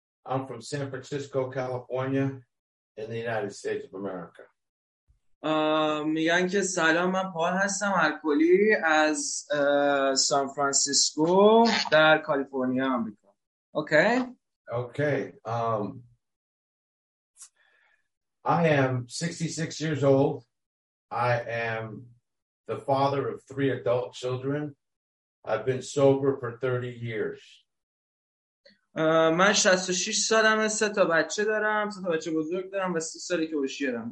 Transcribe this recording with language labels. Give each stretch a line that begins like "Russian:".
English: I'm from San Francisco, California, in the United States of America.
Persian: میگن که سلام، من پال هستم، الکلی از سان فرانسیسکو در کالیفرنیا آمریکا. اوکی.
English: I am 66 years old. I am the father of 3 adult children. I've been sober for 30 years.
Persian: من 66 سالمه، 3 تا بچه دارم، 3 تا بچه بزرگ دارم و 30 سالی که هوشیارم.